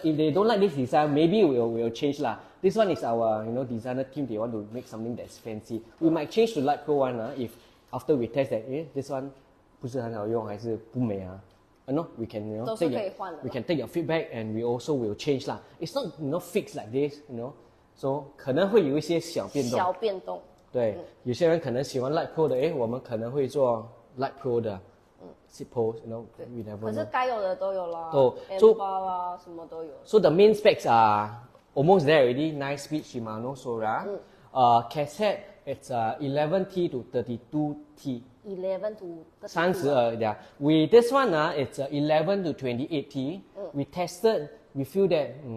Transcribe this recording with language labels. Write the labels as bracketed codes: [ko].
[en] If they don't like this design, maybe we'll change lah. This one is our, you know, designer team. They want to make something that's fancy. We might change to litepro one if after we test that, this one [zh] 不是很好用还是不美 [en] no, we can, you know, take your feedback and we also will change lah. It's not, you know, fixed like this, you know. [zh] So 可能会有一些小变动。对, 有些人可能喜欢 light pro 的, 我们可能会做 light pro 的, [en] sit pose, you know, we never know. [zh] 可是该有的都有啦，包啊什么都有。 [en] So the main specs are almost there already. 9 speed Shimano Sora. Cassette, it's 11T to 32T. 11 to 32. 32, yeah. We, this one, it's 11 to 28T. We tested, we feel that,